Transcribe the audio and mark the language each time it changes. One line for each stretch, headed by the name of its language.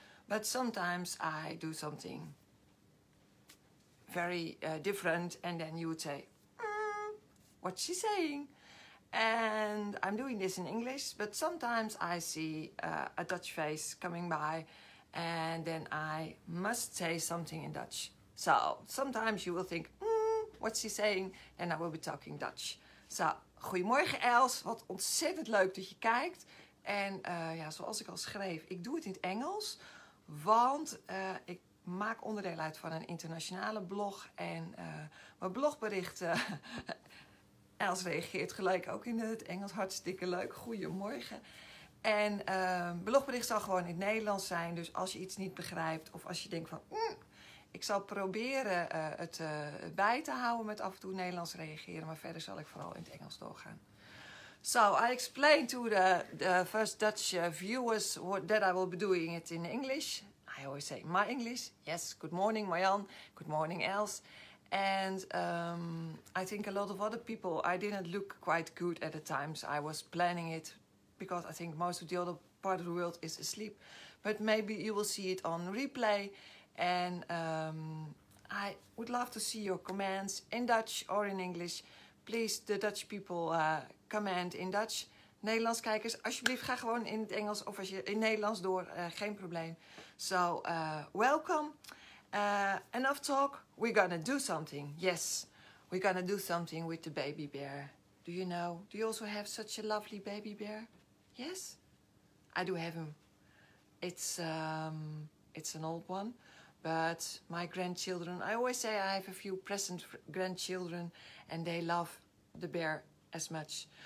English: But sometimes I do something very different, and then you would say, what's she saying? And I'm doing this in English, but sometimes I see a Dutch face coming by, and then I must say something in Dutch. So sometimes you will think, what's she saying? And I will be talking Dutch. So,
Dutch: goedemorgen Els, wat ontzettend leuk dat je kijkt. En ja, zoals ik al schreef, ik doe het in het Engels, want ik maak onderdeel uit van een internationale blog en mijn blogberichten. Els reageert gelijk ook in het Engels. Hartstikke leuk. Goedemorgen. En blogbericht zal gewoon in het Nederlands zijn. Dus als je iets niet begrijpt of als je denkt van, ik zal proberen het bij te houden met af en toe Nederlands reageren. Maar verder zal ik vooral in het Engels doorgaan.
English: So, I explain to the first Dutch viewers that I will be doing it in English. I always say my English. Yes, good morning Marjan. Good morning Els. And I think a lot of other people, I didn't look quite good at the times I was planning it, because I think most of the other part of the world is asleep. But maybe you will see it on replay. And I would love to see your comments in Dutch or in English. Please, the Dutch people, comment in Dutch.
Dutch: Nederlands kijkers, alsjeblieft, ga gewoon in het Engels of als je in Nederlands door, geen probleem.
English: So, welcome. Enough talk, we're gonna do something. Yes, we're gonna do something with the baby bear. Do you know, do you also have such a lovely baby bear? Yes, I do have him. It's an old one, but my grandchildren, I always say I have a few present grandchildren and they love the bear as much.